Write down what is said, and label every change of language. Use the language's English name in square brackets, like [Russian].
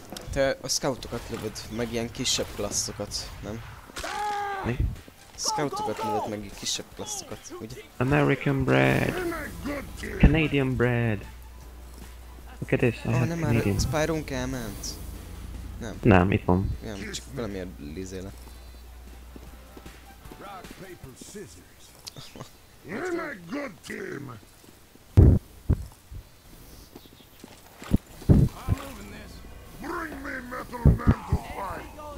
[Hungarian] Te a scoutokat lövöd, meg ilyen kisebb klasszokat, nem? Mi? Scoutokat lövöd, meg ilyen kisebb klasszokat, ugye? [English] American bread! Canadian bread! Look at this, I have Canadian. [Hungarian] Spyro-nk elment. Nem. Nem, itt van. Nem, csak valamiért lizéle. [English] We're a good team! I'm moving this. Bring me Metal Man to fight!